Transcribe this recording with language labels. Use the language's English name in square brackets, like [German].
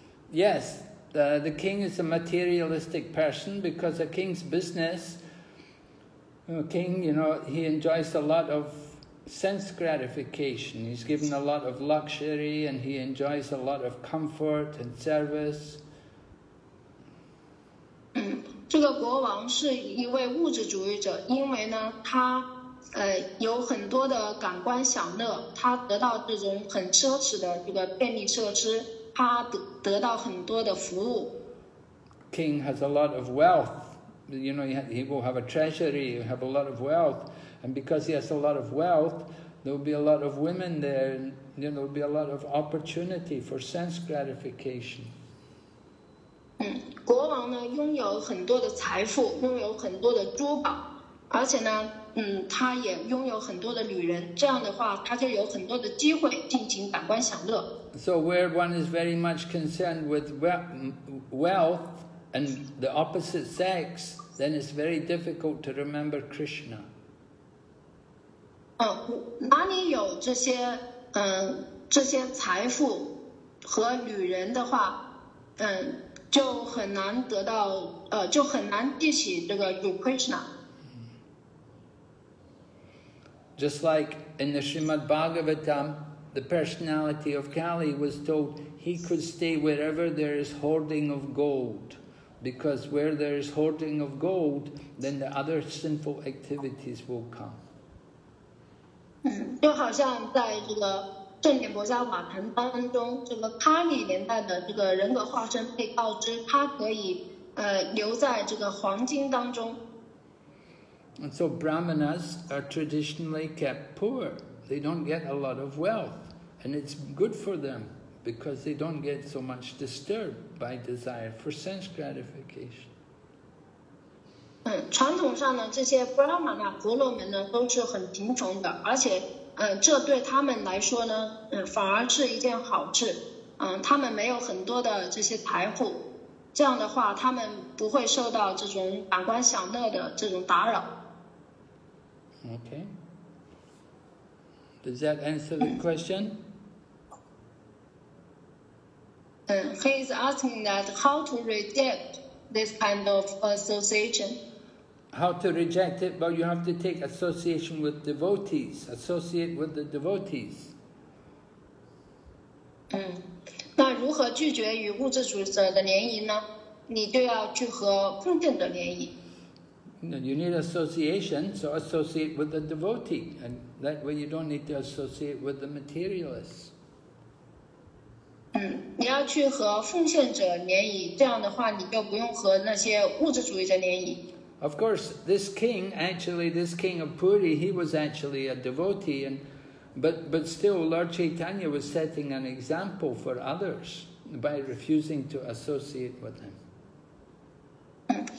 [English] Yes, the king is a materialistic person because a king's business, a king, you know, he enjoys a lot of sense gratification. He's given a lot of luxury and he enjoys a lot of comfort and service. [Chinese] 这个国王是一位物质主义者，因为呢，他有很多的感官享乐，他得到这种很奢侈的这个便利设施，他得到很多的服务。 [English] King has a lot of wealth, you know, he will have a treasury, he will have a lot of wealth, and because he has a lot of wealth, there will be a lot of women there, and, you know, there will be a lot of opportunity for sense gratification. [Chinese] 国王呢拥有很多的财富，拥有很多的珠宝，而且呢，他也拥有很多的女人。这样的话，他就有很多的机会进行感官享乐。 [English] So where one is very much concerned with wealth and the opposite sex, then it's very difficult to remember Krishna. [Chinese] 哪里有这些这些财富和女人的话，就很难得到就很难记起这个 Krishna。 [English] Just like in the Srimad Bhagavatam, the personality of Kali was told he could stay wherever there is hoarding of gold, because where there is hoarding of gold, then the other sinful activities will come. [Chinese] 就好像在这个正典博迦瓦坛当中，这个卡里年代的这个人格化身被告知，他可以留在这个黄金当中。 [English] And so brahmanas are traditionally kept poor. They don't get a lot of wealth, and it's good for them because they don't get so much disturbed by desire for sense gratification. [Chinese] 传统上呢，这些 brahmana 婆罗门呢都是很贫穷的，而且这对他们来说呢，反而是一件好事。他们没有很多的这些财富，这样的话，他们不会受到这种感官享乐的这种打扰。 [English] Okay. Does that answer the question? He is asking that how to reject this kind of association. How to reject it? Well, you have to take association with devotees, associate with the devotees. [Chinese] 那如何拒绝与物质主义者的联谊呢？你就要去和奉献者联谊。 [English] You need association, so associate with the devotee, and that way you don't need to associate with the materialists. [Chinese] 你要去和奉献者联谊，这样的话你就不用和那些物质主义者联谊。 [English] Of course, this king of Puri, he was actually a devotee, but still Lord Chaitanya was setting an example for others by refusing to associate with him.